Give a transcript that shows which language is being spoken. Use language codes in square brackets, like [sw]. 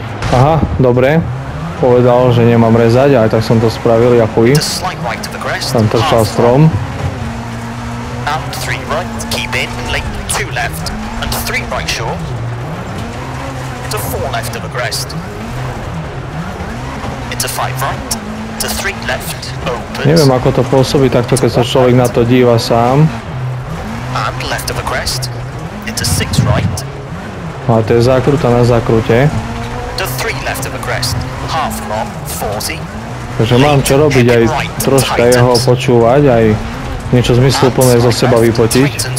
[sk] Aha, dobre, povedal, že nemám rezať, aj tak som to spravil, jakuj. [en] Into slight right of the crest, [sk] tam trčal strom. [en] And 3 right, keep in, late, 2 left, and 3 right short, into 4 left of a crest, into 5 right, to 3 left, opens. [sk] Neviem, ako to pôsobí takto, keď sa človek na to díva sám. [en] And left of a crest, into 6 right. [sk] A to je zákruta na zákrute. [en] To 3 left of a crest, half long, 40. [sk] Takže mám čo robiť, aj troška jeho počúvať, aj niečo zmysluplné zo seba vypotiť.